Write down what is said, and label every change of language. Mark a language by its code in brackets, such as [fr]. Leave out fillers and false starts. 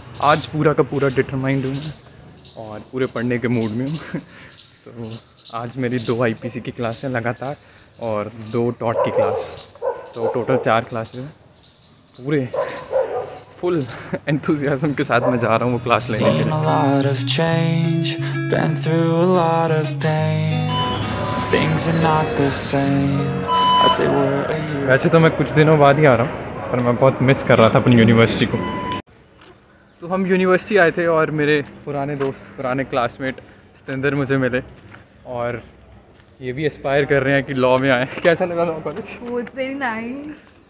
[hi] आज पूरा का पूरा डिटरमाइंड हूँ और पूरे पढ़ने के मूड में हूँ। तो आज मेरी दो आईपीसी की क्लास है लगातार और दो टॉट की क्लास, तो टोटल चार क्लासेस हैं। पूरे फुल एंथुसियाज्म के साथ मैं जा रहा हूँ वो क्लास लेने के लिए। [en] Been through a lot of pain. Some things are not the same as they were a year ago. [hi] वैसे तो मैं कुछ दिनों बाद ही आ रहा हूँ, पर मैं बहुत मिस कर रहा था अपनी यूनिवर्सिटी को। तो हम यूनिवर्सिटी आए थे और मेरे पुराने दोस्त, पुराने क्लासमेट सतेंद्र मुझे मिले और ये भी एस्पायर कर रहे हैं कि लॉ में आए। कैसा लगा लॉ कॉलेज? [en] वो it's very nice.